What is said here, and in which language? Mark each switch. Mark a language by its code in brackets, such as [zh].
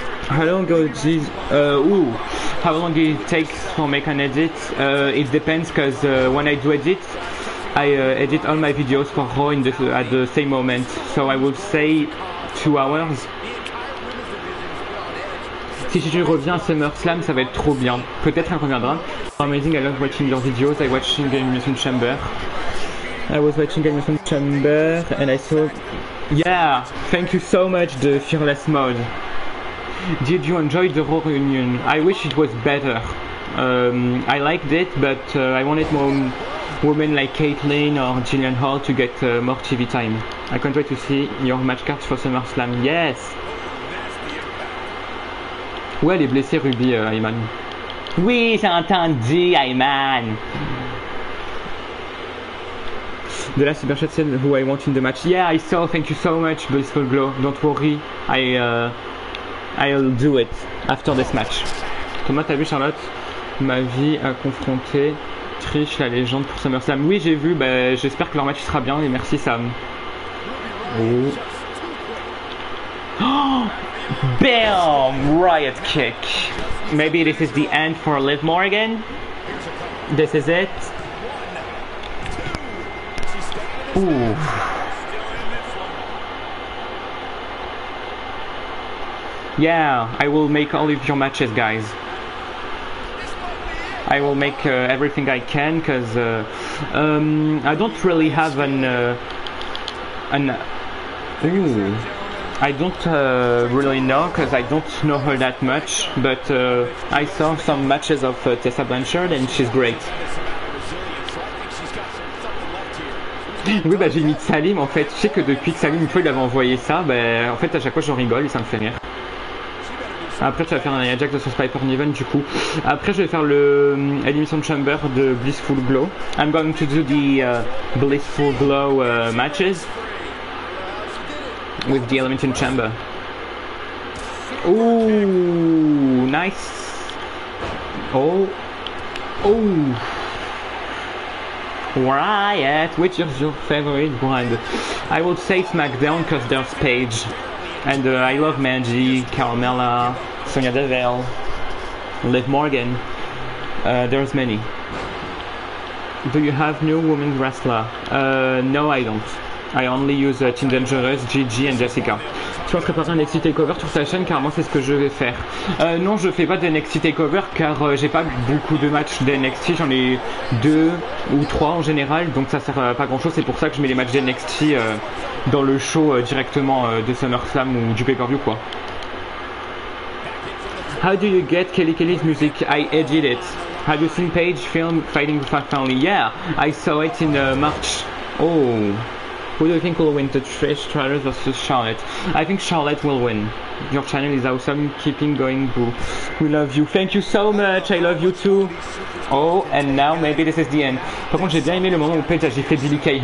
[en] How long is how long it takes to make an edit? It depends, because when I do edit, I edit all my videos for Raw in the, at the same moment. So I would say 2 hours. [fr] Si JJ revient à SummerSlam, ça va être trop bien. Peut-être elle reviendra. [en] Amazing, I love watching your videos. I watch in the Elimination Chamber. I was watching Elimination Chamber and I saw... Yeah! Thank you so much, the Fearless Mode. Did you enjoy the Raw reunion? I wish it was better. I liked it, but I wanted more women like Caitlyn or Jillian Hall to get more TV time. I can't wait to see your match cards for SummerSlam. Yes! [fr] Où elle est blessée, Ruby, Ayman? Oui, j'ai entendu, Ayman! [en] The last super chat said who I want in the match. Yeah, I saw, thank you so much, Blissful Glow. Don't worry, I'll do it after this match. [fr] Thomas, t'as vu Charlotte? Ma vie a confronté Trish, la légende pour SummerSlam. Oui, j'ai vu, bah, j'espère que leur match sera bien et merci Sam. [en] Oh. Oh! Bam! Riot kick. Maybe this is the end for Liv Morgan. This is it. Ouh. Yeah, I will make all of your matches, guys. I will make everything I can, because I don't really have I don't really know, because I don't know her that much, but I saw some matches of Tessa Blanchard, and she's great. [fr] Oui, bah j'ai mis Salim, en fait. Je sais que depuis que Salim, une fois, il avait envoyé ça, bah, en fait, à chaque fois, je rigole, et ça me fait rire. Après tu vas faire un Ajax de Spyper Niven du coup. Après je vais faire le Elimination Chamber de Blissful Glow. [en] I'm going to do the Blissful Glow matches with the Elimination Chamber. Ooh, nice. Oh. Ooh. Riot, which is your favorite brand? I would say SmackDown because there's Paige. And I love Mandy, Carmella, Sonya Deville, Liv Morgan, there's many. Do you have new women wrestler? No, I don't. I only use Team Dangerous, Gigi and Jessica. [fr] Tu penses préparer un NXT Takeover sur ta chaîne, car moi c'est ce que je vais faire. Non, je fais pas de NXT Takeover car j'ai pas beaucoup de matchs d'NXT, j'en ai 2 ou 3 en général, donc ça sert pas grand chose, c'est pour ça que je mets les matchs d'NXT dans le show directement de SummerSlam ou du pay-per-view quoi. [en] How do you get Kelly Kelly's music? I edit it. Have you seen Paige film Fighting the Fat Family? Yeah, I saw it in March. Oh. Who do you think will win, the Trish Stratus versus Charlotte? I think Charlotte will win. Your channel is awesome, keeping going, boo. We love you. Thank you so much, I love you too. Oh, and now maybe this is the end. [fr] Par contre, j'ai bien aimé le moment où Paige a giflé Billy Kay.